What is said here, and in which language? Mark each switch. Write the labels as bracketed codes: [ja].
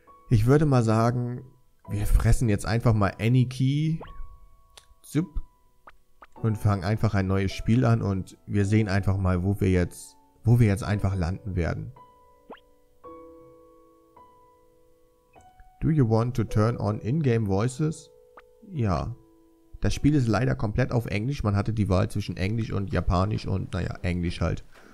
[de] Ich würde mal sagen, wir fressen jetzt einfach mal Any Key. Zup. Und fangen einfach ein neues Spiel an und wir sehen einfach mal, wo wir jetzt einfach landen werden. [en] Do you want to turn on in-game voices? [de] Ja, das Spiel ist leider komplett auf Englisch. Man hatte die Wahl zwischen Englisch und Japanisch und, naja, Englisch halt.